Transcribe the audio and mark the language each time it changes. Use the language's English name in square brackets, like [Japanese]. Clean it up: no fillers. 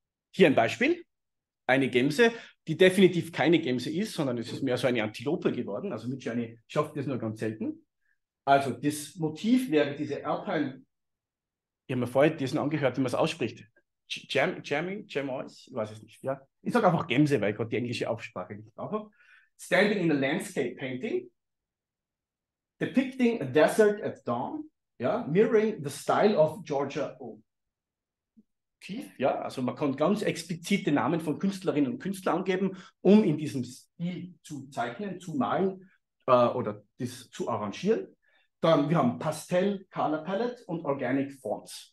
[German] Hier ein Beispiel, eine Gämse, die definitiv keine Gämse ist, sondern es ist mehr so eine Antilope geworden. Also mit Journey schafft das nur ganz selten. Also das Motiv wäre diese Alpine. Ich habe mir vorher diesen angehört, wie man es ausspricht. Ich weiß es nicht. Ja. Ich sage einfach Gämse, weil ich gerade die englische Aufsprache nicht drauf habe. [English] Standing in a landscape painting. Depicting a desert at dawn. Ja, mirroring the style of Georgia O'Keeffe. [German] Keith, ja, also man kann ganz explizit den Namen von Künstlerinnen und Künstlern angeben, um in diesem Stil zu zeichnen, zu malen oder das zu arrangieren. Dann, wir haben Pastel, Color Palette und Organic Forms.